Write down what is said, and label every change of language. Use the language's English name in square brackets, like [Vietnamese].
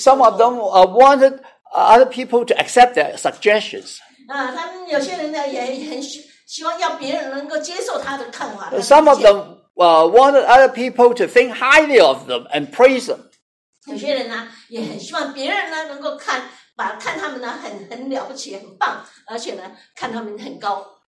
[English] Some of them wanted other people to accept their suggestions. [Chinese] 他们有些人呢，也很希望要别人能够接受他的看法。 [English] Some of them wanted other people to think highly of them and praise them. [Chinese] 有些人呢，也很希望别人呢能够看他们呢很了不起，很棒，而且呢，看他们很高。